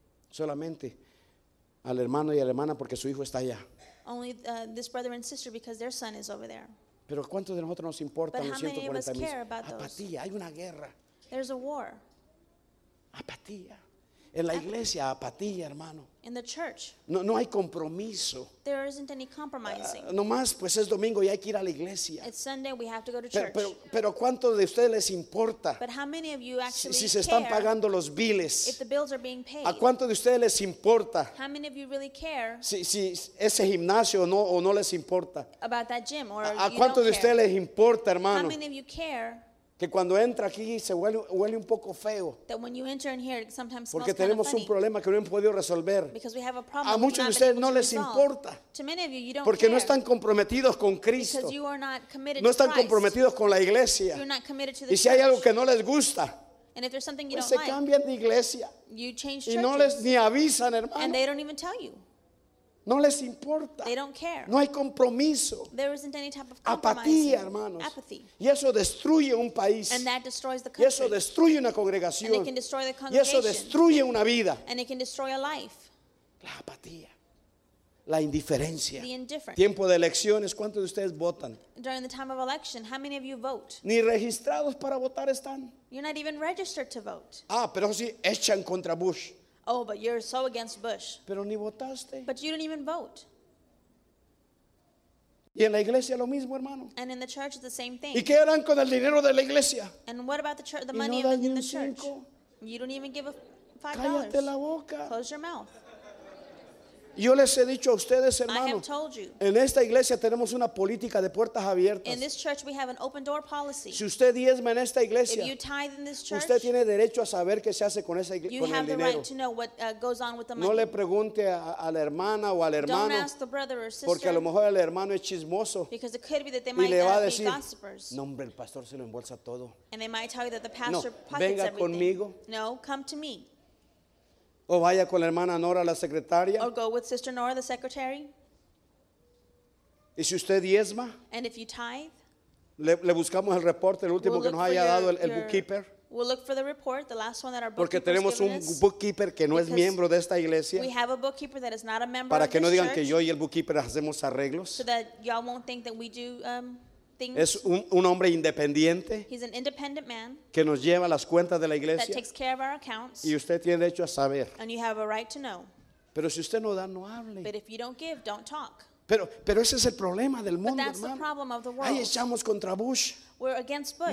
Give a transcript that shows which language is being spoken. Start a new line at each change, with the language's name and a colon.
Spanish: Solamente al hermano y a la hermana porque su hijo está allá.
English: Only this brother and sister because their son is over there.
Spanish: Pero ¿cuántos de nosotros nos importa los 140,000?
English: But how many of us care about those?
Spanish: Apatía, hay una guerra.
English: There's a war.
Spanish: Apatía. En la iglesia, apatía, hermano.
English: In the church.
Spanish: No, no hay compromiso.
English: There isn't any compromising.
Spanish: Nomás, pues es domingo y hay que ir a la iglesia.
English: It's Sunday, we have to go to church.
Spanish: Pero ¿cuánto de ustedes les importa?
English: But how many of you actually
Spanish: si se están pagando los biles.
English: If the bills are being paid.
Spanish: ¿A cuánto de ustedes les importa?
English: How many of you really care?
Spanish: Si ese gimnasio o no les importa.
English: About that gym or
Spanish: ¿A cuánto de ustedes les importa, hermano?
English: How many of you care?
Spanish: Que cuando entra aquí se huele un poco feo.
English: That when you enter in here, it sometimes smells
Spanish: porque tenemos
English: funny.
Spanish: Un problema que no hemos podido resolver.
English: Because we have a problem.
Spanish: A muchos de ustedes no les importa.
English: To many of you, you don't
Spanish: porque
English: care.
Spanish: No están comprometidos con Cristo.
English: Because you are not committed
Spanish: no están
English: to Christ.
Spanish: Comprometidos con la iglesia.
English: You're not committed to the
Spanish: y si
English: church.
Spanish: Hay algo que no les gusta.
English: And if there's something you
Spanish: pues
English: don't
Spanish: cambian de iglesia.
English: You change churches.
Spanish: Y no les ni avisan, hermano.
English: And they don't even tell you.
Spanish: No les importa.
English: They don't care.
Spanish: No hay compromiso.
English: There isn't any type of
Spanish: apatía, hermanos.
English: Apathy.
Spanish: Y eso destruye un país.
English: And that destroys the country.
Spanish: Y eso destruye una congregación.
English: And it can destroy the congregation.
Spanish: Y eso destruye una vida.
English: And it can destroy a life.
Spanish: La apatía. La indiferencia.
English: The indifference.
Spanish: Tiempo de elecciones, ¿cuántos de ustedes votan?
English: During the time of election, how many of you vote?
Spanish: Ni registrados para votar están.
English: You're not even registered to vote.
Spanish: Ah, pero sí echan contra Bush.
English: Oh, but you're so against Bush.
Spanish: Pero ni votaste.
English: But you didn't even vote.
Spanish: Y en la iglesia lo mismo, hermano.
English: And in the church it's the same thing.
Spanish: ¿Y qué harán con el dinero de la iglesia?
English: And what about the money
Spanish: no
English: of in the church?
Spanish: Cinco.
English: You don't even give $5.
Spanish: Cállate la boca.
English: Close your mouth.
Spanish: Yo les he dicho a ustedes, hermano.
English: I have told you.
Spanish: En esta iglesia tenemos una política de puertas abiertas.
English: In this church we have an open door policy.
Spanish: Si usted diezma en esta iglesia,
English: if you tithe in this church,
Spanish: usted tiene derecho a saber qué se hace con esa iglesia, con el dinero.
English: You have the right to know what goes on with the money.
Spanish: No le pregunte a la hermana o al hermano.
English: Don't ask the brother or sister.
Spanish: Porque a lo mejor el hermano es chismoso.
English: Because it could be that they might be
Spanish: decir,
English: gossipers.
Spanish: No, hombre, el pastor se lo embolsa todo.
English: And they might tell you that the pastor
Spanish: no,
English: pockets everything.
Spanish: Venga conmigo.
English: No, come to me.
Spanish: O vaya con la hermana Nora, la secretaria.
English: Or go with Sister Nora, the secretary.
Spanish: ¿Y si usted diezma?
English: And if you tithe?
Spanish: Le buscamos el reporte, el último
English: we'll
Spanish: que nos haya
English: your,
Spanish: dado el bookkeeper.
English: We'll look for the report, the last one that our bookkeeper
Spanish: porque tenemos un bookkeeper que no es miembro de esta iglesia.
English: We have a bookkeeper that is not a member
Spanish: para
English: of
Spanish: que no digan
English: church,
Spanish: que yo y el bookkeeper hacemos arreglos.
English: So that y'all won't think that we do things.
Spanish: Es un hombre independiente.
English: He's an independent man
Spanish: que nos lleva las cuentas de la iglesia.
English: That takes care of our accounts.
Spanish: Y usted tiene derecho a saber.
English: And you have a right to know.
Spanish: Pero si usted no da, no hable.
English: But if you don't give, don't talk.
Spanish: Pero ese es el problema del mundo,
English: but that's
Spanish: hermano.
English: The problem of the world.
Spanish: Ahí echamos contra Bush.
English: We're against Bush.